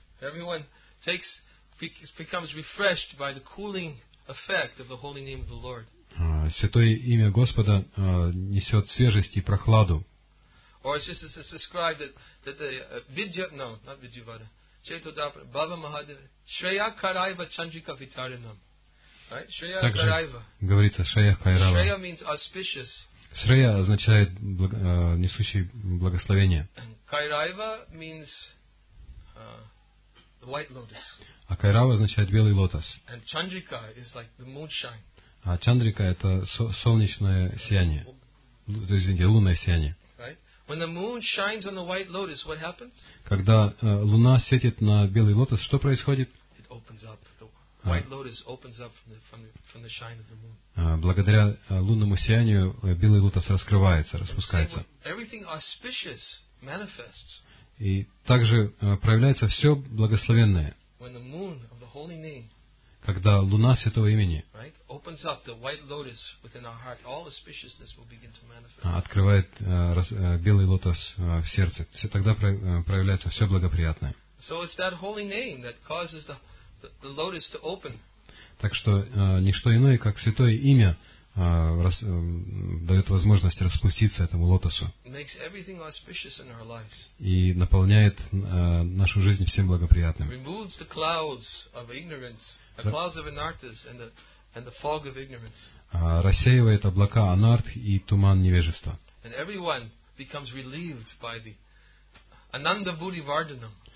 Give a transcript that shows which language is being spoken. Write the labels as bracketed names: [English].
[English] Everyone takes becomes refreshed by the cooling effect of the holy name of the Lord. [Russian] Святое имя Господа несет свежесть и прохладу. [English] Or it's just it's described that the Vidyavada, Chetodapra, Baba Mahadeva, Shreya Karaiva Chandrika Vitarinam. Right? Shreya Karaiva. Shreya means auspicious. [Russian] Shreya означает несущий благословение. [English] Kairava means the white lotus. [Russian] А Кайрава означает белый лотос. [English] And Chandrika is like the moonshine. [Russian] А Чандрика это солнечное сияние. То есть, извините, лунное сияние. [English] Right? When the moon shines on the white lotus, what happens? [Russian] Когда луна светит на белый лотос, что происходит? [English] It opens up. The white lotus opens up from the shine of the moon. [Russian] Благодаря лунному сиянию белый лотос раскрывается, распускается. [English] Everything auspicious manifests. [Russian] И также проявляется все благословенное. [English] When the moon of the holy name, [Russian] когда луна святого имени, [English] right, opens up the white lotus within our heart, all auspiciousness will begin to manifest. [Russian] Открывает белый лотос в сердце. Все тогда проявляется все благоприятное. [English] So it's that holy name that causes the lotus to open. [Russian] Так что ничто иное, как святое имя, дает возможность распуститься этому лотосу. [English] Makes everything auspicious in our lives. [Russian] И наполняет нашу жизнь всем благоприятным. [English] Removes the clouds of ignorance, the clouds of anarthas and the fog of ignorance. [Russian] Рассеивает облака анартх и туман невежества. [English] And everyone becomes relieved by the ananda buddhi vardhanam.